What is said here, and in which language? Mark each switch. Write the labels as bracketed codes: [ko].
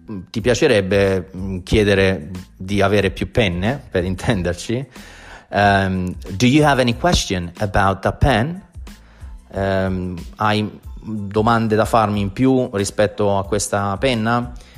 [it] Ti piacerebbe chiedere di avere più penne, per intenderci? [en] Do you have any question about the pen? [it] Hai domande da farmi in più rispetto a questa penna?